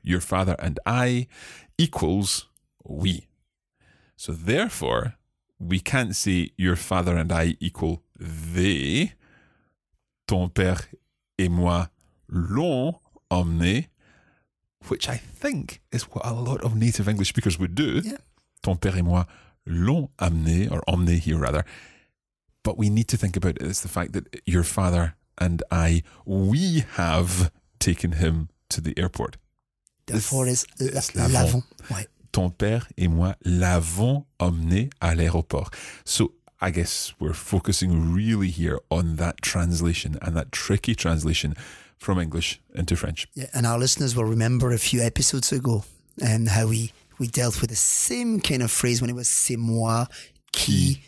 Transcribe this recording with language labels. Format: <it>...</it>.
<en>Your father and I equals we. So therefore, we can't say your father and I equal they.</en> <fr>Ton père et moi l'ont emmené.</fr> <en>Which I think is what a lot of native English speakers would do. Yeah.</en> <fr>Ton père et moi l'ont amené, or emmené</fr> <en>here rather. But we need to think about it. It's the fact that your father and I, we have taken him to the airport. Therefore, it's</en> <fr>l'avons.</fr> <en>Ouais.</en> <fr>Ton père et moi l'avons emmené à l'aéroport.</fr> <en>So I guess we're focusing really here on that translation and that tricky translation from English into French. Yeah, and our listeners will remember a few episodes ago and how we dealt with the same kind of phrase when it was</en> <fr>c'est moi qui</fr>